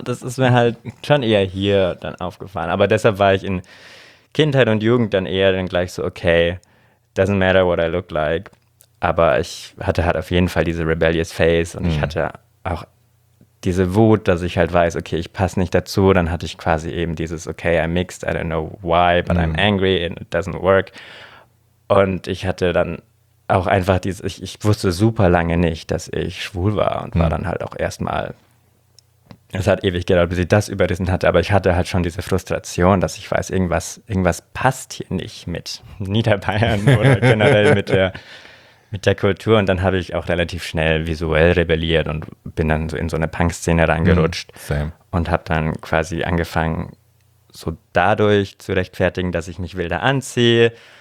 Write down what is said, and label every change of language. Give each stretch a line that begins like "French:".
German: Das ist mir halt schon eher hier dann aufgefallen. Aber deshalb war ich in Kindheit und Jugend dann eher dann gleich so, okay,
English: doesn't matter what I look like.
German: Aber ich hatte halt auf jeden Fall diese
English: rebellious face
German: und ich hatte auch diese Wut, dass ich halt weiß, okay, ich passe nicht dazu. Dann hatte ich quasi eben dieses, okay,
English: I'm mixed, I don't know why, but I'm angry and it doesn't work.
German: Und ich hatte dann auch einfach dieses, ich wusste super lange nicht, dass ich schwul war und war dann halt auch erstmal, es hat ewig gedauert, bis ich das überrissen hatte, aber ich hatte halt schon diese Frustration, dass ich weiß, irgendwas passt hier nicht mit Niederbayern oder generell mit der Kultur und dann habe ich auch relativ schnell visuell rebelliert und bin dann so in so eine Punk-Szene reingerutscht und habe dann quasi angefangen, so dadurch zu rechtfertigen, dass ich mich wilder anziehe